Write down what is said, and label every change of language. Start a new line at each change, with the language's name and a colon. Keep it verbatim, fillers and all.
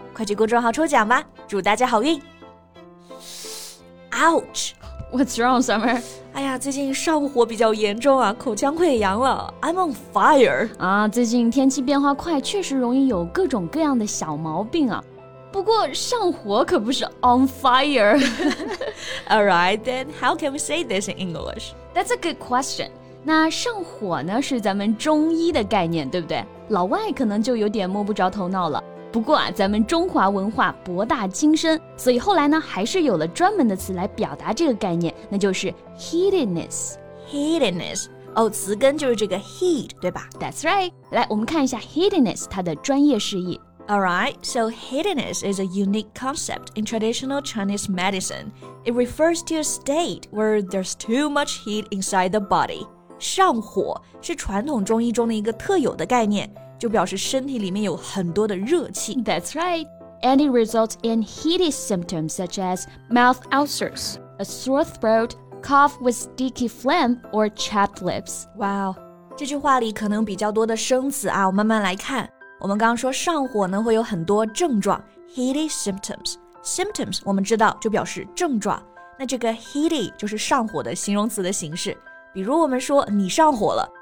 Chinese: 快去公众号抽奖吧，祝大家好运。Ouch!
English: What's wrong, Summer?
Chinese: 哎呀，最近上火比较严重啊，口腔溃疡了。
English: I'm on fire 啊！
Chinese: 最近天气变化快，确实容易有各种各样的小毛病啊。不过上火可不是
English: on fire. All right, then how can we say this in English? That's a good question.
Chinese: 那上火呢，是咱们中医的概念，对不对？老外可能就有点摸不着头脑了。不过啊，咱们中华文化博大精深，所以后来呢，还是有了专门的词来表达这个概念，那就是 heatedness。 heatedness， 哦，词根就是这个 heat， 对吧？
English: That's right。
Chinese: 来，我们看一下 heatedness 它的专业释义。
English: All right, so heatedness is a unique concept in traditional Chinese medicine. It refers to a state where there's too much heat inside the body.
Chinese: 上火是传统中医中的一个特有的概念。就表示身体里面有很多的热气。
English: That's right. And it results in heated symptoms such as mouth ulcers, a sore throat, cough with sticky phlegm, or chapped lips.
Chinese: Wow, 这句话里可能比较多的生词啊，我慢慢来看。我们刚刚说上火呢会有很多症状 ，
English: heated symptoms.
Chinese: Symptoms 我们知道就表示症状。那这个 heated 就是上火的形容词的形式。比如我们说你上火了。